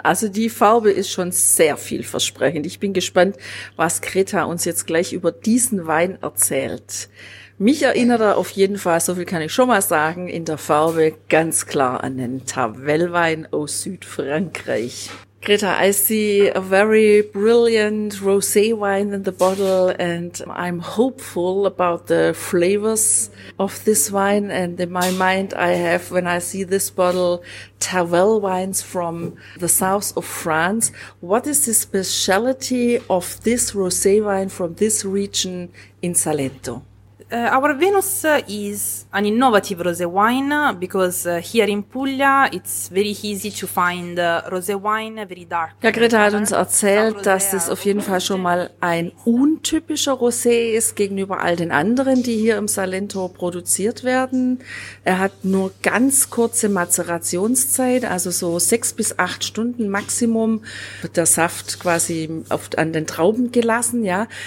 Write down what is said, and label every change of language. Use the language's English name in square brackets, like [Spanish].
[German] Also die Farbe ist schon sehr vielversprechend. Ich bin gespannt, was Greta uns jetzt gleich über diesen Wein erzählt. Mich erinnert er auf jeden Fall, so viel kann ich schon mal sagen, in der Farbe ganz klar an den Tavel-Wein aus Südfrankreich. [English] Greta, I see a very brilliant rosé wine in the bottle and I'm hopeful about the flavors of this wine. And in my mind I have, when I see this bottle, Tavel wines from the south of France. What is the speciality of this rosé wine from this region in Salento? Our Venus is an innovative rosé wine because here in Puglia it's very easy to find rosé wine, very dark. [German] Ja, Greta hat uns erzählt, dass es auf jeden Fall schon mal ein untypischer Rosé ist gegenüber all den anderen, die hier im Salento produziert werden. Er hat nur ganz kurze Mazerationszeit, also so 6 bis 8 Stunden Maximum wird der Saft quasi oft an den Trauben gelassen, ja.